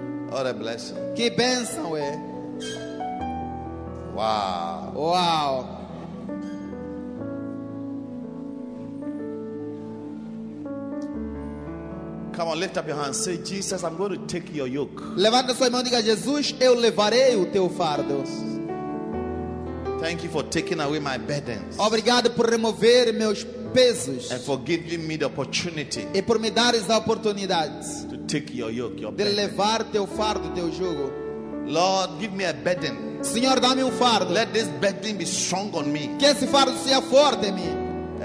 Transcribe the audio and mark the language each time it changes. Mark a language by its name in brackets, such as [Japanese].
[English] What a blessing. [Portuguese] Que bênção é. Wow. Wow. [English] Come on, lift up your hands. Say, Jesus, I'm going to take your yoke. [Portuguese] Levanta sua mão e diga, Jesus, eu levarei o teu fardo. [English] Thank you for taking away my burdens. [Portuguese] Obrigado por remover meus pesos. [English] And for giving me the opportunity. [Portuguese] E por me dares a oportunidade. [English] To take your yoke, your [Portuguese] burden. De levar teu fardo, teu jugo. [English] Lord, give me a burden. [Portuguese] Senhor, dá-me fardo. [English] Let this burden be strong on me. [Portuguese] Que esse fardo seja forte em mim.